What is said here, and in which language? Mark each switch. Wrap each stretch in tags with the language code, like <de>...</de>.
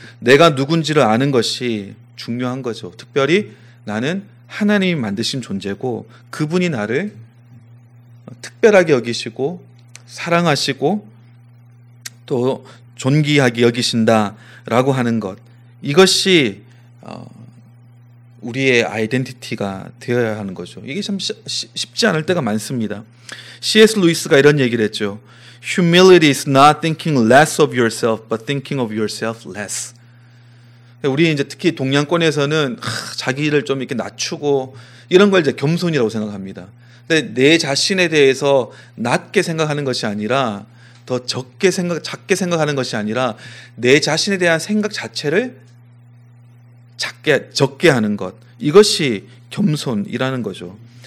<ko>내가 누군지를 아는 것이 중요한 거죠. 특별히 나는 하나님이 만드신 존재고, 그분이 나를 특별하게 여기시고 사랑하시고 또 존귀하게 여기신다라고 하는 것, 이것이 우리의 아이덴티티가 되어야 하는 거죠. 이게 참 쉽지 않을 때가 많습니다. C.S. 루이스가 이런 얘기를 했죠.</ko> <en>Humility is not thinking less of yourself, but thinking of yourself less.</en> <ko>우리 이제 특히 동양권에서는 자기를 좀 이렇게 낮추고 이런 걸 이제 겸손이라고 생각합니다. 근데 내 자신에 대해서 낮게 생각하는 것이 아니라, 더 적게 생각, 작게 생각하는 것이 아니라, 내 자신에 대한 생각 자체를 적게 하는 것, 이것이 겸손이라는 거죠.</ko>